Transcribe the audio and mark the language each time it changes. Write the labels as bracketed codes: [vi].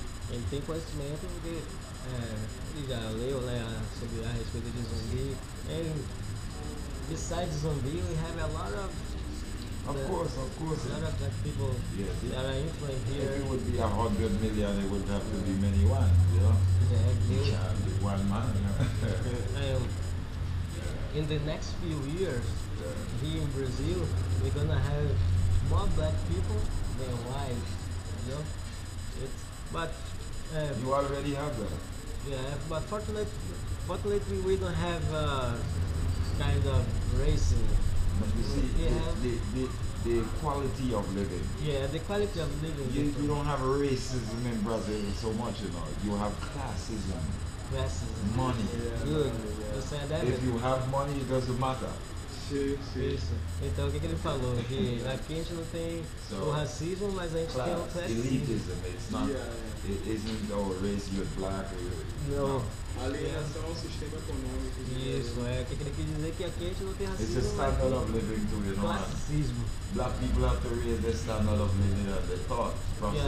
[pt] Ele tem conhecimento porque. Ele já leu sobre a respeito de zumbi. [en] And besides zumbi, we have a lot of of course. A lot of black people that are influenced here. If it would be 100 million, it would have to be many one, you know? Yeah, it can't be one man, you know. In the next few years, here in Brazil, we're gonna have more black people than white, you know? You already have that. Yeah, but fortunately we don't have kind of racism. But you see, the quality of living. Yeah, the quality of living. You don't have racism in Brazil so much, you know. You have classism. Classism. Money. Yeah, good. Yeah. If you have money, it doesn't matter. [pt] Sim. Então, o que ele falou? Que aqui a gente não tem o racismo, mas a gente tem o classismo. [en] Elitism, it's not, isn't our race, you're black, you're... [pt] Não. Alienação ao sistema econômico. Isso, é. O que ele quis dizer? Que aqui a gente não tem racismo. [en] It's a standard of living too, you know. [pt] Classismo. [en] Black people have to raise their standard of living and their thought process.